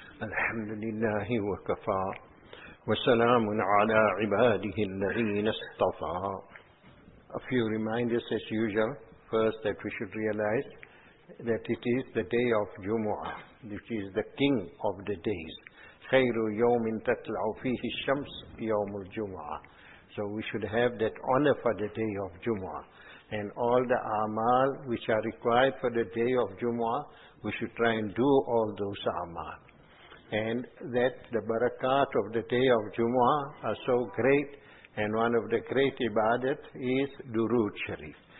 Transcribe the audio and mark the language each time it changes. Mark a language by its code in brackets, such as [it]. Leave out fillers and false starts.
[ar] الحمد لله وكفى وسلام على عباده الذين اصطفى. [en] A few reminders as usual. First, that we should realize that it is the day of Jumu'ah, which is the king of the days. [ar] خير يوم تطلع فيه الشمس يوم الجمعة. [en] So we should have that honor for the day of Jumu'ah. And all the a'mal which are required for the day of Jumu'ah, we should try and do all those a'mal. And that the barakat of the day of Jumu'ah are so great, and one of the great ibadat is Durood Sharif.